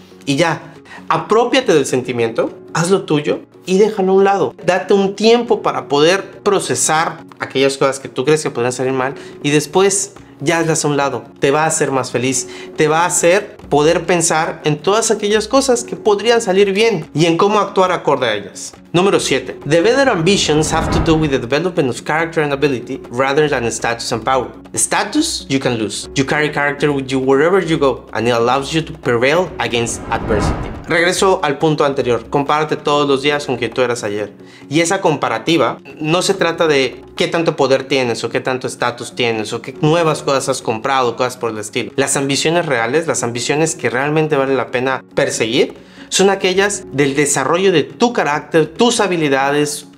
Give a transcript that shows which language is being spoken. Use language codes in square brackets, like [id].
[es] Y ya, apropiate del sentimiento, hazlo tuyo y déjalo a un lado. Date un tiempo para poder procesar aquellas cosas que tú crees que podrían salir mal y después ya hazlas a un lado. Te va a hacer más feliz. Te va a hacer poder pensar en todas aquellas cosas que podrían salir bien y en cómo actuar acorde a ellas. Número 7. [en] The better ambitions have to do with the development of character and ability rather than status and power. Status you can lose. You carry character with you wherever you go and it allows you to prevail against adversity. [es] Regreso al punto anterior. Compárate todos los días con quien tú eras ayer. Y esa comparativa no se trata de qué tanto poder tienes o qué tanto estatus tienes o qué nuevas cosas has comprado, cosas por el estilo. Las ambiciones reales, las ambiciones que realmente vale la pena perseguir, son aquellas del desarrollo de tu carácter, tus habilidades,